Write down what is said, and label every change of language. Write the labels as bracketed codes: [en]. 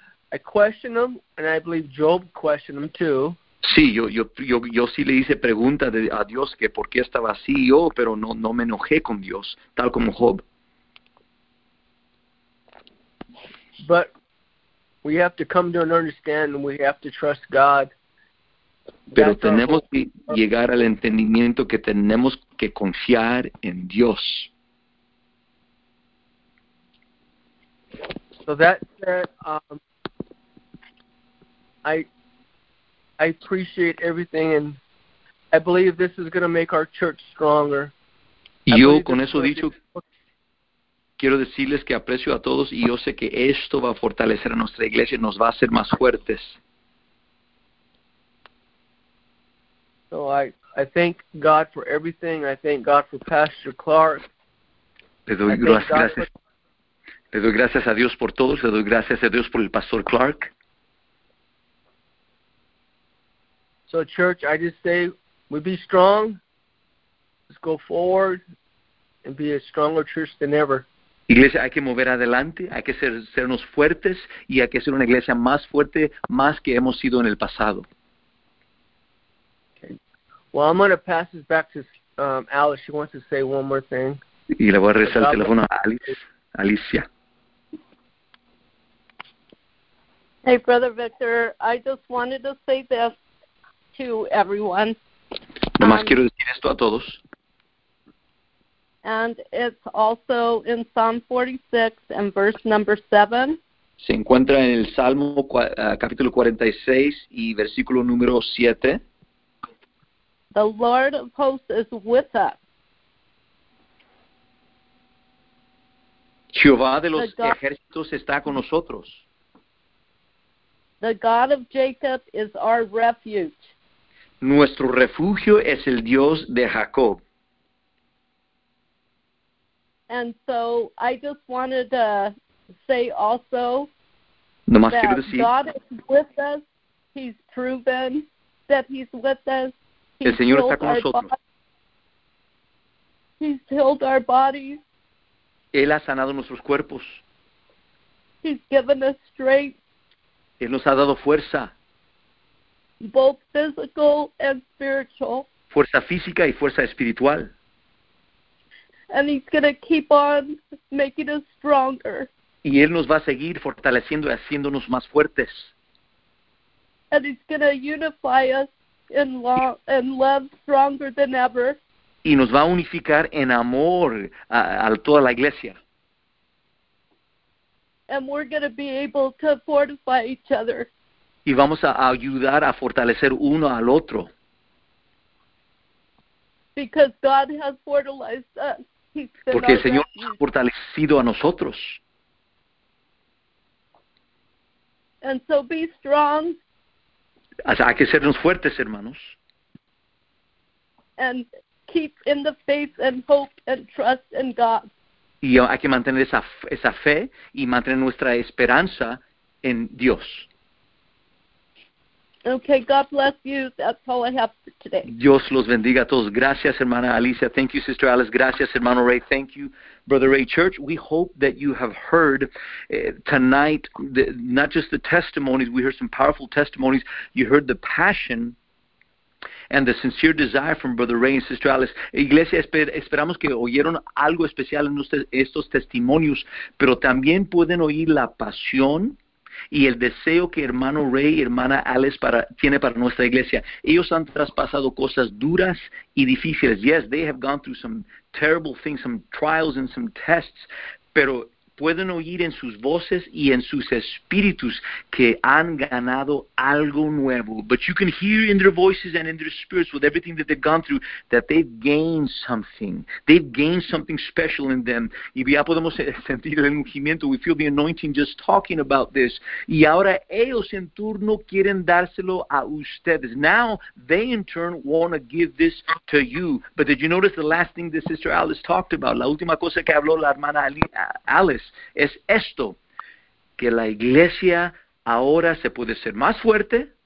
[en] I question him, and I believe Job questioned him too. [es] Sí, yo sí le hice pregunta a Dios que por qué estaba así yo, pero no me enojé con Dios, tal como Job. [en] But we have to come to an understanding. We have to trust God. [es] Pero tenemos que llegar al entendimiento que tenemos que confiar en Dios. [en] So that said, I appreciate everything, and I believe this is going to make our church stronger. [es] Yo con eso dicho. Quiero decirles que aprecio a todos y yo sé que esto va a fortalecer a nuestra iglesia y nos va a hacer más fuertes. [en] So I thank God for everything. I thank God for Pastor Clark. [es] Le doy gracias a Dios por todos. Le doy gracias a Dios por el Pastor Clark. [en] So church, I just say, we be strong. Let's go forward and be a stronger church than ever. [es] Iglesia, hay que mover adelante, hay que sernos fuertes y hay que ser una iglesia más fuerte, más que hemos sido en el pasado. [en] Okay. Well, I'm going to pass this back to Alice. She wants to say one more thing. [es] Y le voy a regresar el teléfono a Alice. Alicia. [en] Hey, Brother Victor, I just wanted to say this to everyone. [es] Nomás quiero decir esto a todos. [en] And it's also in Psalm 46 and verse number 7. [es] Se encuentra en el Salmo capítulo 46 y versículo número 7. [en] The Lord of hosts is with us. [es] Jehová de los ejércitos está con nosotros. [en] The God of Jacob is our refuge. [es] Nuestro refugio es el Dios de Jacob. [en] And so I just wanted to say also [es] nomás [en] that [es] decir, [en] God is with us. He's proven that he's with us. [es] El Señor está con nosotros. [en] He's healed our bodies. [es] Él ha sanado nuestros cuerpos. [en] He's given us strength. [es] Él nos ha dado fuerza. [en] Both physical and spiritual. [es] Fuerza física y fuerza espiritual. [en] And he's going to keep on making us stronger. [es] Y él nos va a seguir fortaleciendo y haciéndonos más fuertes. [en] And he's going to unify us in love stronger than ever. [es] Y nos va a unificar en amor a toda la iglesia. [en] And we're going to be able to fortify each other. [es] Y vamos a ayudar a fortalecer uno al otro. [en] Because God has fortalecido us. [es] Porque el Señor nos ha fortalecido a nosotros. [en] And so be strong. [es] O sea, hay que sernos fuertes, hermanos. [en] And keep in the faith and hope and trust in God. [es] Y hay que mantener esa fe y mantener nuestra esperanza en Dios. [en] Okay, God bless you. That's all I have for today. [es] Dios los bendiga a todos. Gracias, hermana Alicia. [en] Thank you, Sister Alice. [es] Gracias, hermano Ray. [en] Thank you, Brother Ray. Church, we hope that you have heard tonight not just the testimonies. We heard some powerful testimonies. You heard the passion and the sincere desire from Brother Ray and Sister Alice. [es] Iglesia, esperamos que oyeron algo especial en estos testimonios, pero también pueden oír la pasión y el deseo que hermano Ray y hermana Alice tiene para nuestra iglesia. Ellos han traspasado cosas duras y difíciles. [en] Yes, they have gone through some terrible things, some trials and some tests, [es] pero pueden oír en sus voces y en sus espíritus que han ganado algo nuevo. [en] But you can hear in their voices and in their spirits with everything that they've gone through that they've gained something. They've gained something special in them. [es] Y ya podemos sentir el ungimiento. [en] We feel the anointing just talking about this. [es] Y ahora ellos en turno quieren dárselo a ustedes. [en] Now they in turn want to give this to you. But did you notice the last thing that Sister Alice talked about? [es] La última cosa que habló la hermana Alice. Es esto, que la iglesia ahora se puede ser más fuerte.